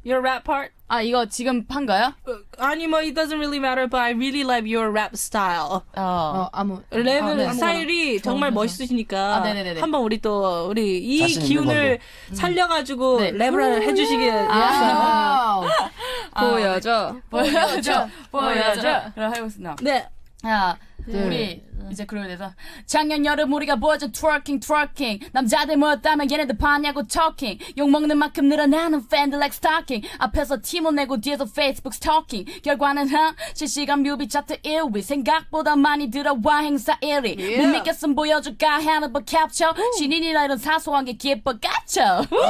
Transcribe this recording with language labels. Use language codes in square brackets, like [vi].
[en] Your rap part? [ko] 아, 이거 지금 판 거야? 아니, 뭐, [en] it doesn't really matter, but I really like your rap style. [ko] 아무. 랩 스타일이 정말 멋있으시니까. 아, 네네네. 한번 우리 또, 우리 이 기운을 살려가지고 랩을 해주시길. 보여줘. 보여줘. 보여줘. 그럼 해보겠습니다. 네. 우리 이제 그러면 돼서 작년 여름 우리가 보여준 트워킹 남자들 모였다면 얘네들 봤냐고 토킹 욕먹는 만큼 늘어나는 팬들 [en] like stalking [ko] 앞에서 팀을 내고 뒤에서 페이스북 스토킹 결과는 실시간 뮤비 차트 1위 생각보다 많이 들어와 행사 1위 못 믿겠음 보여줄까 하나 봐 캡처 신인이라 이런 사소한 게 기뻐 갇혀